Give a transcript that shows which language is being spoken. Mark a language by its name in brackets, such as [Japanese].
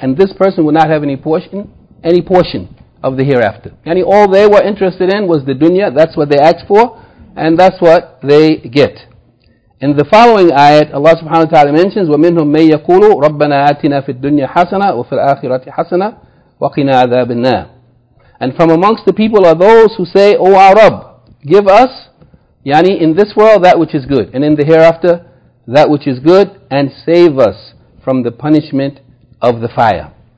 [English] And this person will not have any portion of the hereafter. All they were interested in was the dunya, that's what they asked for, and that's what they get. In the following ayat, Allah subhanahu wa ta'ala mentions, [Arabic] وَمِنْهُمْ مَنْ يَقُولُ رَبَّنَا آتِنَا فِي الدُّنْيَا حَسَنَةً وَفِي الْآخِرَةِ حَسَنَةً وَقِنَا عَذَابَ النَّارِ. [English] And from amongst the people are those who say, O our Rabb, give us, in this world that which is good, and in the hereafter that which is good, and save us from the punishment of the fire.